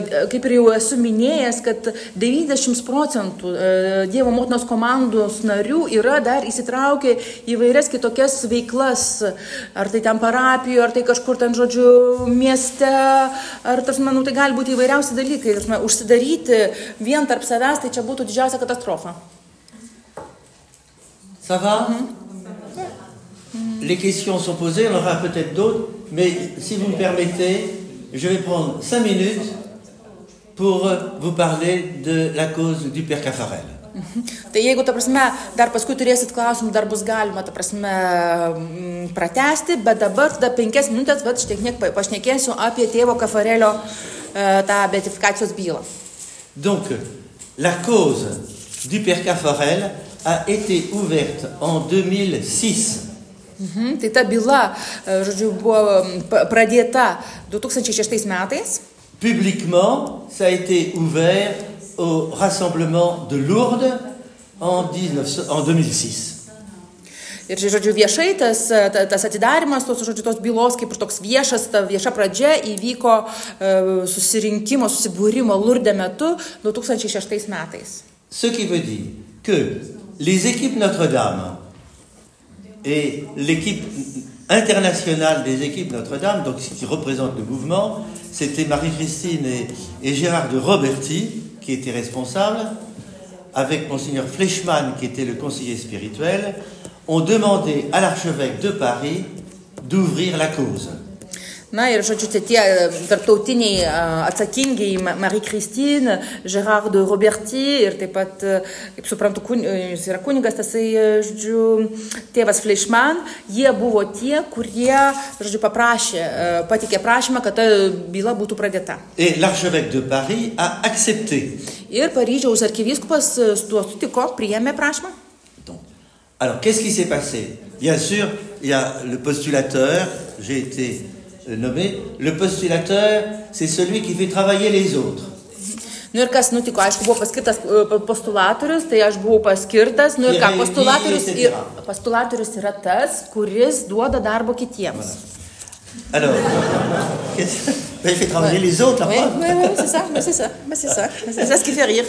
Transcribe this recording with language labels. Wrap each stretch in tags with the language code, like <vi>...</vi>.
<lt>kaip ir jau esu minėjęs, kad 90% Dievo motinos komandos narių yra dar įsitraukę į vairias kitokias veiklas, ar tai ten parapijoje, ar tai kažkur ten, žodžiu, mieste, ar tas, manau, tai gali būti įvairiausi dalykai, tas, manau, užsidaryti vieną tarp savęs, tai čia būtų didžiausia katastrofa.</lt> <fr>Ça va? Les questions sont posées, on aura peut-être d'autres, mais si vous me permettez, je vais prendre 5 minutes pour vous parler de la cause du père Caffarel.</fr> <lt>Tai jeigu, ta prasme, dar paskui turėsit klausimų, dar bus galima, ta prasme, pratesti, bet dabar tada 5 minutės, va, štiek pašnekėsiu apie tėvo Caffarelio tą beatifikacijos bylą.</lt> <fr>Donc, la cause du père Caffarel a été ouverte en 2006.</fr> <lt>Tai ta byla, žodžiu, buvo pradėta 2006 metais.</lt> <fr>Publiquement, ça a été ouvert au rassemblement de Lourdes en 2006.</fr> <lt>Ir, žodžiu, viešai tas atidarymas, žodžiu, tos bylos, kaip ir toks viešas, ta vieša pradžia įvyko susirinkimo, susibūrimo Lourdes metu 2006 metais.</lt> <fr>Ce qui veut dire que les équipes Notre-Dame et l'équipe internationale des équipes Notre-Dame, donc qui représente le mouvement, c'était Marie-Christine et Gérard de Roberti qui étaient responsables, avec Mgr Fleischmann qui était le conseiller spirituel, ont demandé à l'archevêque de Paris d'ouvrir la cause.</fr> <lt>Na ir, žodžiu, tie tarptautiniai atsakingiai Marie-Christine, Gérard de Roberti ir taip pat, kaip suprantu, jis yra kunigas, tasai, žodžiu, tėvas Fleischmann, jie buvo tie, kurie, žodžiu, paprašė, patikė prašymą, kad ta byla būtų pradėta.</lt> <fr>Et l'archevêque de Paris a accepté.</fr> <lt>Ir Paryžiaus arkivyskupas tuo sutiko, priėmė prašymą.</lt> <fr>Alors, qu'est-ce qui s'est passé? Bien sûr, il y a le postulateur, j'ai été nommé. Le postulateur, c'est celui qui fait travailler les autres.</fr> <lt>Nu ir kas nutiko, aišku, buvo paskirtas postulatorius, tai aš buvau paskirtas. Nu ir ką, postulatorius yra tas, kuris duoda darbo kitiems.</lt> <fr>Voilà. Alors, il fait travailler les autres, après. Oui, c'est ça ce qui fait rire.</fr>